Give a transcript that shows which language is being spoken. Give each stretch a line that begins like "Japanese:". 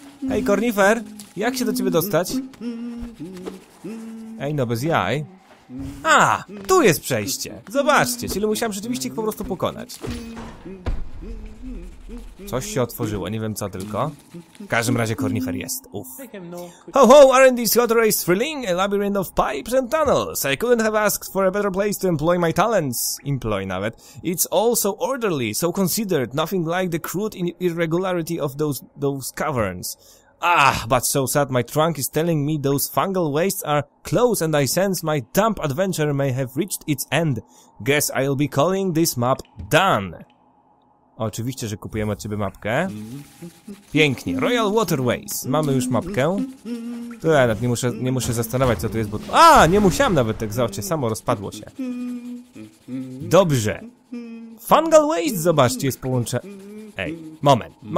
Polish: Ej, Kornifer! Jak się do ciebie dostać? Ej, no bez jaj. A! Tu jest przejście! Zobaczcie, czyli musiałem rzeczywiście ich po prostu pokonać. Coś się otworzyło, nie wiem co tylko. W każdym razie Kornifer jest,
English: Ho ho, aren't these hot rays thrilling? A labyrinth of pipes and tunnels. I couldn't have asked for a better place to employ my talents.
Polish: Employ nawet.
English: It's all so orderly, so considered. Nothing like the crude irregularity of those caverns. Ah, but so sad, my trunk is telling me those fungal wastes are close and I sense my damp adventure may have reached its end. Guess I'll be calling this map done.
Polish: Oczywiście, że kupujemy od ciebie mapkę. Pięknie. Royal Waterways. Mamy już mapkę. To ja nawet nie muszę zastanawiać, co to jest, bo... A, nie musiałem nawet tak, zobaczcie, samo rozpadło się. Dobrze. Fungal Waste, zobaczcie, jest połączone. Ej, moment.